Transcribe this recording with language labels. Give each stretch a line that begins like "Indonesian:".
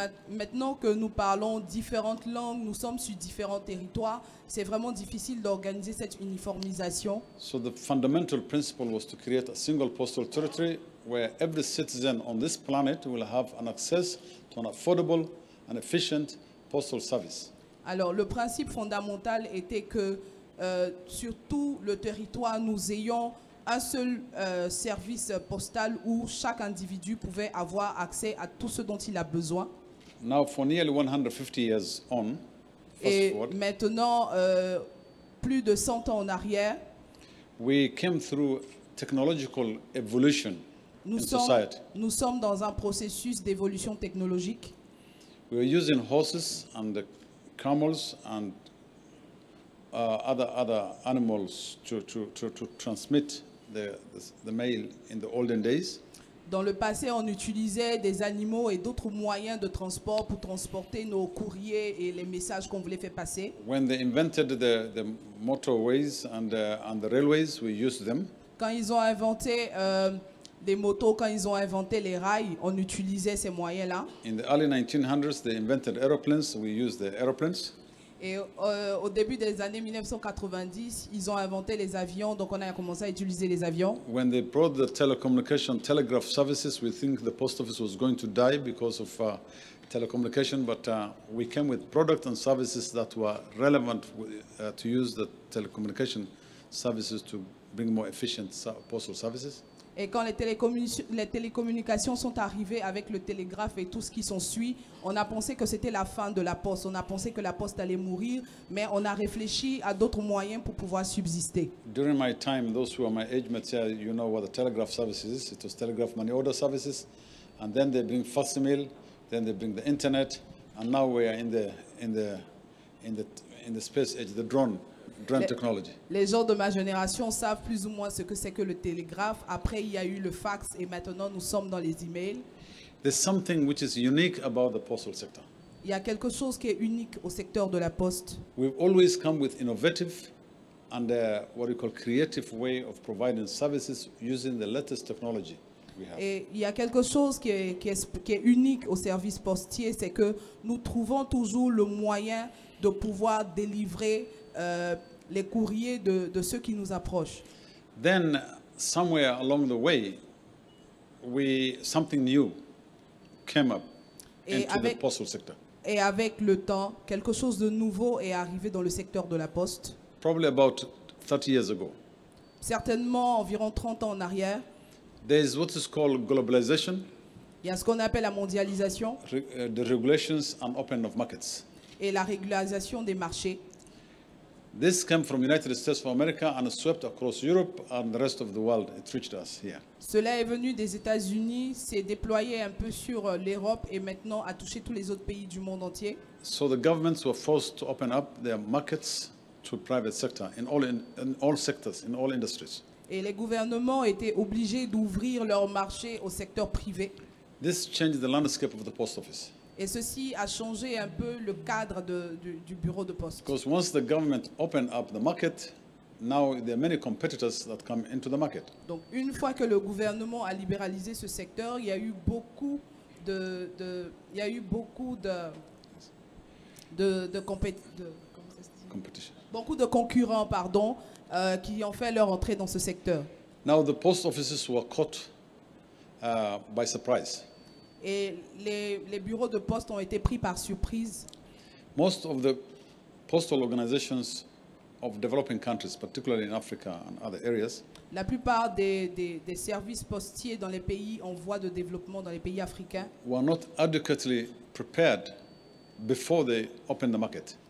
French: Et maintenant que nous parlons différentes langues, nous sommes sur différents territoires, c'est vraiment difficile d'organiser cette uniformisation.
English: So the fundamental principle was to create a single postal territory where every citizen on this planet will have an access to an affordable and efficient postal service.
French: Alors, le principe fondamental était que sur tout le territoire, nous ayons un seul service postal où chaque individu pouvait avoir accès à tout ce dont il a besoin.
English: Now for nearly 150 years on,
French: et maintenant, plus de 100 ans en arrière,
English: we came through technological evolution
French: nous sommes dans un processus d'évolution technologique.
English: We were using horses and the camels and other animals to transmit the mail in the olden days.
French: Dans le passé, on utilisait des animaux et d'autres moyens de transport pour transporter nos courriers et les messages qu'on voulait faire passer.
English: When they invented the motorways and the railways, we used them.
French: Quand ils ont inventé des motos, quand ils ont inventé les rails, on utilisait ces moyens-là.
English: In the early 1900s, they invented aeroplanes, we used the aeroplanes.
French: Et au début des années 1990, ils ont inventé les avions, donc on a commencé à utiliser les avions.
English: When they brought the telecommunication telegraph services, we think the post office was going to die because of telecommunication, but we came with products and services that were relevant to use the telecommunication services to bring more efficient postal services.
French: Et quand les télécommunications sont arrivées avec le télégraphe et tout ce qui s'en suit, on a pensé que c'était la fin de la poste. On a pensé que la poste allait mourir, mais on a réfléchi à d'autres moyens pour pouvoir subsister.
English: During my time, those who are my age, Mathieu, you know what the telegraph service is. It was telegraph money order services. And then they bring facsimile, then they bring the internet. And now we are in the space age, the drone.
French: Les gens de ma génération savent plus ou moins ce que c'est que le télégraphe. Après, il y a eu le fax et maintenant, nous sommes dans les emails.
English: There's something which is unique about the postal sector.
French: Il y a quelque chose qui est unique au secteur de la poste.
English: We've always come with innovative and what we call creative way of providing services using the latest technology.
French: Et il y a quelque chose qui est unique au service postier, c'est que nous trouvons toujours le moyen de pouvoir délivrer les courriers de ceux qui nous approchent.
English: Then, somewhere along the way, something new came up into the postal sector.
French: Et avec le temps, quelque chose de nouveau est arrivé dans le secteur de la poste.
English: Probably about 30 years ago.
French: Certainement environ 30 ans en arrière.
English: There is what is called globalization.
French: Il y a ce qu'on appelle la mondialisation.
English: The regulations and opening of markets.
French: Et la régularisation des marchés.
English: This came from United States of America and swept across Europe and the rest of the world. It reached us here.
French: Cela est venu des États-Unis, s'est déployé un peu sur l'Europe et maintenant a touché tous les autres pays du monde entier.
English: So the governments were forced to open up their markets to private sector in all sectors, in all industries.
French: Et les gouvernements étaient obligés d'ouvrir leur marché au secteur privé.
English: This changed the landscape of the post office.
French: Et ceci a changé un peu le cadre du bureau de poste.
English: Because once the government opened up the market, now there are many competitors that come into the market.
French: Donc une fois que le gouvernement a libéralisé ce secteur, il y a eu beaucoup de concurrents, pardon, qui ont fait leur entrée dans ce secteur.
English: Now the post offices were caught by surprise.
French: Et les bureaux de poste ont été pris par surprise.
English: Most of the postal organizations of developing countries, particularly in Africa and other areas.
French: La plupart des services postiers dans les pays en voie de développement, dans les pays africains,
English: were not adequately prepared before they opened the market.